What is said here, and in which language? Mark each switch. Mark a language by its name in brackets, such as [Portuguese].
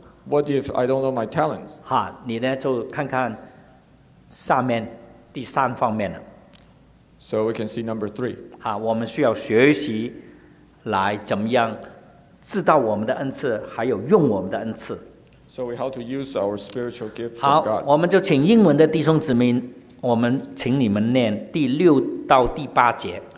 [English] What if I don't know my talents? [Chinese] 哈，你呢就看看下面第三方面了。 [English] So we can see number three. [Chinese] 哈，我们需要学习来怎么样知道我们的恩赐，还有用我们的恩赐。 [English] So we have to use our spiritual gifts. [Chinese] 好，我们就请英文的弟兄姊妹。我们请你们念第六到第八节。